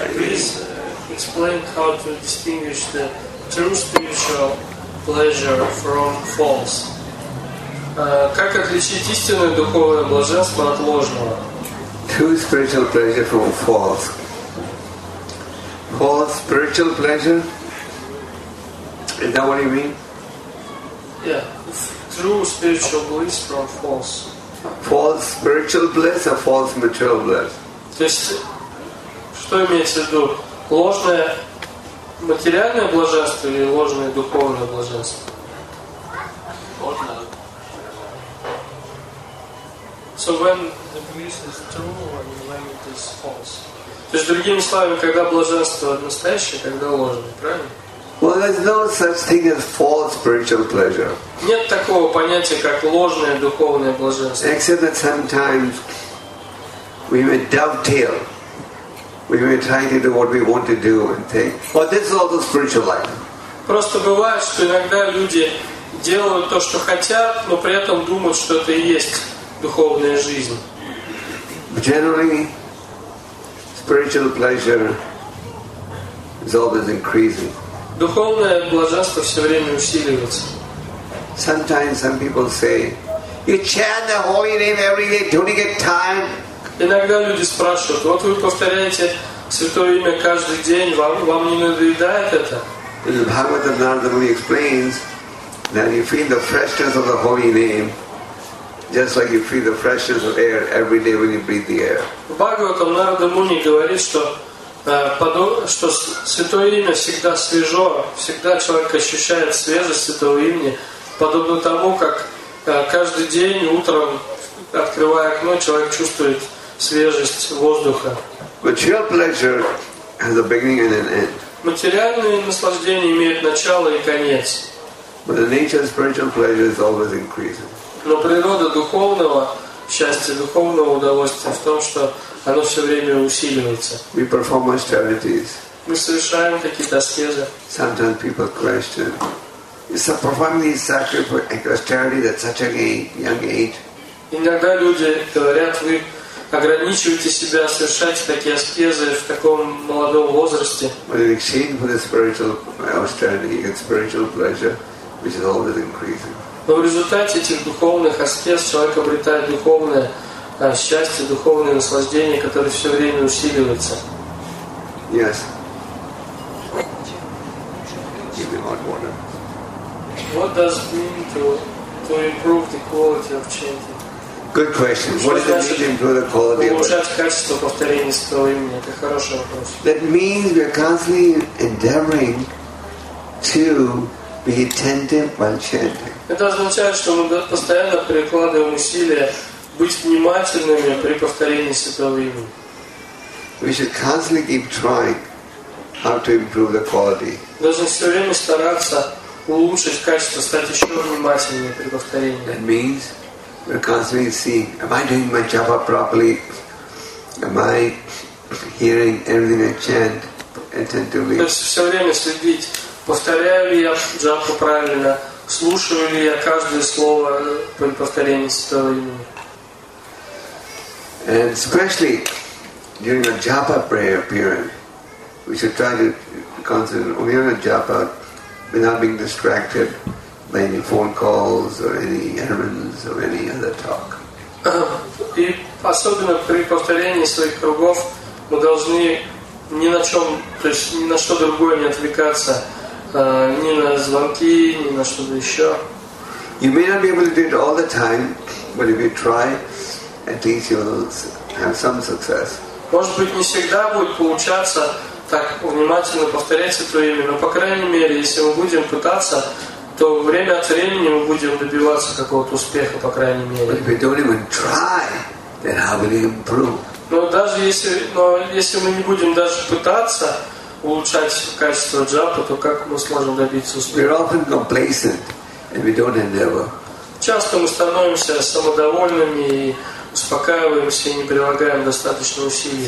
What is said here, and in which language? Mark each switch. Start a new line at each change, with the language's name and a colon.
English: Please explain how to distinguish the true spiritual pleasure from false.
Russian: Как отличить истинное духовное блаженство от ложного?
English: True spiritual pleasure from false. False spiritual pleasure? Is that what you mean? Yeah. True spiritual bliss from false. False spiritual bliss or false material bliss?
Russian: То есть, что имеется в виду? Ложное материальное блаженство или ложное духовное блаженство?
English: So when the bliss is true, when it is false.
Russian: То есть другими словами, когда блаженство настоящее, когда ложное, правильно?
English: Well, there's no such thing as false spiritual pleasure.
Russian: Нет такого понятия, как ложное духовное блаженство.
English: Except that sometimes we may dovetail. We may try to do what we want to do and think. But this is also spiritual life.
Russian: Просто бывает, что иногда люди делают то, что хотят, но при этом думают, что это и есть духовная жизнь.
English: Generally, spiritual pleasure is always increasing.
Russian: Духовное блаженство все время усиливается.
English: Sometimes some people say, "You chant the holy name every day. Don't you get tired?"
Russian: Иногда люди спрашивают: "Вот вы повторяете святое имя каждый день. Вам не надоедает это?"
English: The Bhagavata Narada explains that you feel the freshness of the holy name. Just like you feel the freshness of air every day when you breathe the air.
Russian: Бхагаватам Нарада Муни говорит, что святое имя всегда свежо, всегда человек ощущает свежесть святого имени, подобно тому, как каждый день утром, открывая окно, человек чувствует свежесть воздуха.
English: Material pleasure has a beginning and an end.
Russian: Материальные наслаждения имеют начало и конец.
English: But the nature of spiritual pleasure is always increasing.
Russian: Но природа духовного счастье духовного удовольствия в том, что оно все время усиливается.
English: We perform austerities.
Russian: Мы совершаем какие-то аскезы.
English: Sometimes people question. It's a profoundly sacrifice and austerity at such a young age.
Russian: Иногда люди говорят, вы ограничиваете себя совершать такие аскезы в таком молодом возрасте.
English: But in exchange for the spiritual austerity, you get spiritual pleasure, which is always increasing.
Russian: Но в результате этих духовных аскез человек обретает духовное счастье, духовное наслаждение, которое все время усиливается.
English: Yes. What does it mean to improve the quality of chanting? Good question. What does it mean to improve the quality of chanting? That means we are constantly endeavoring to be attentive while chanting.
Russian: Это означает, что мы постоянно прикладываем усилия быть внимательными при повторении святого имени.
English: We should constantly keep trying how to improve the quality.
Russian: Должны все время стараться улучшить качество, стать еще внимательнее при повторении.
English: That means we're constantly seeing, am I doing my japa properly? Am I hearing everything I chant attentively?
Russian: То есть все время следить, повторяю ли я джапу правильно, слушаю ли я каждое слово при повторении святого имени.
English: And especially during a japa prayer period, we should try to concentrate only on a japa without being distracted by any phone calls or any errands or any other talk.
Russian: И особенно при повторении своих кругов мы должны ни на чем, то есть ни на что другое не отвлекаться, ни на звонки, ни на что-то еще.
English: You may not be able to do it all the time, but if you try, at least you'll have some success.
Russian: Может быть, не всегда будет получаться так внимательно повторять это имя, но по крайней мере, если мы будем пытаться, то время от времени мы будем добиваться какого-то успеха, по крайней мере.
English: But if we don't even try, then how will we improve?
Russian: Но если мы не будем даже пытаться улучшать качество джапы, то как мы сможем добиться успеха?
English: We're often complacent and we don't endeavor.
Russian: Часто мы становимся самодовольными и успокаиваемся и не прилагаем достаточно усилий.